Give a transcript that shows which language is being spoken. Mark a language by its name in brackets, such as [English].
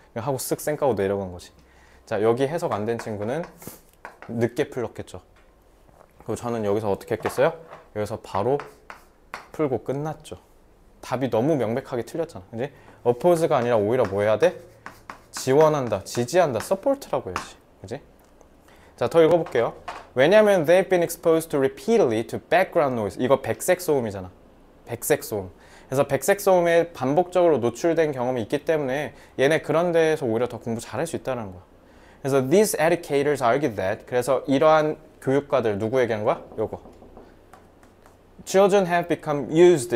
[Korean] 하고 쓱 쌩까고 내려간 거지. 자, 여기 해석 안 된 친구는 늦게 풀었겠죠. 그리고 저는 여기서 어떻게 했겠어요? 여기서 바로 풀고 끝났죠. 답이 너무 명백하게 틀렸잖아. 이제 어포즈가 아니라 오히려 뭐 해야 돼? 지원한다, 지지한다, 서포트라고 해야지. 그지? 자, 더 읽어볼게요. [English] 왜냐면 they've been exposed to repeatedly to background noise. [Korean] 이거 백색 소음이잖아. 백색 소음. 그래서 백색 소음에 반복적으로 노출된 경험이 있기 때문에 얘네 그런 데에서 오히려 더 공부 잘할 수 있다는 거야. [English] 그래서 these educators argue that. [Korean] 그래서 이러한 교육가들 누구 얘기하는 거야? [English] 요거. Children have become used.